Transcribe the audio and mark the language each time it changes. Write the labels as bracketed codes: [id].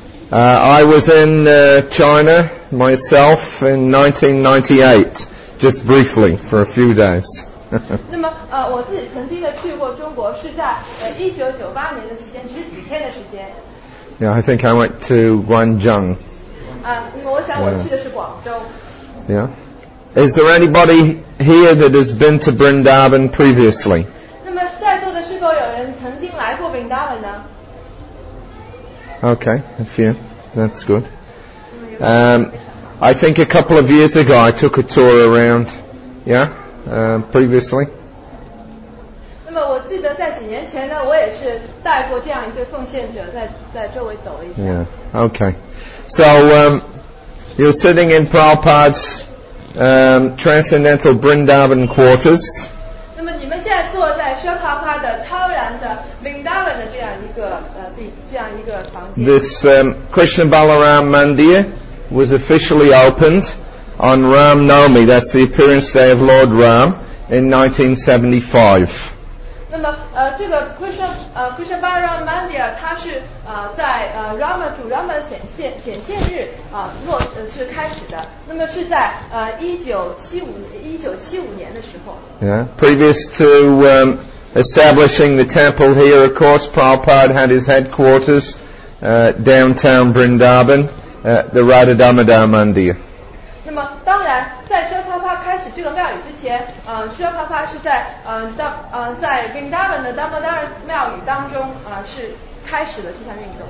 [en] I was in China myself in 1998, just briefly for a few days. [zh] 那么我自己曾经的去过中国是在1998年的时间，只是几天的时间。 [en] Yeah, I think I went to Guangzhou. [zh] 我想我去的是广州。 [en] Yeah. Is there anybody here that has been to Vrindavan previously? [zh] 那么在座的是否有人曾经来过 Vrindavan 呢？ [en] Okay, a few. That's good. I think a couple of years ago I took a tour around. Yeah, previously. [zh] 那么我记得在几年前呢，我也是带过这样一对奉献者在周围走了一下。 [en] Yeah. Okay. So, you're sitting in Prabhupada's Transcendental Vrindavan Quarters. [zh] 那么你们现在坐在宣帕帕的超然的 Vrindavan 的这样一个房间。 [en] This Krishna Balaram Mandir was officially opened on Ram Navami, that's the appearance day of Lord Ram, in 1975. [zh] 那么这个 Krishna Balaram Mandir 它是在Rama 主 Rama 显现日是开始的，那么是在1975年的时候。 [en] Yeah, previous to establishing the temple here, of course, Prabhupada had his headquarters downtown Vrindavan, the Radhadamada Mandir. [zh] 那么当然在宣帕帕开始这个庙宇之前，宣帕帕是在在 Vrindavan 的 Damodara 庙宇当中是开始了这项运动。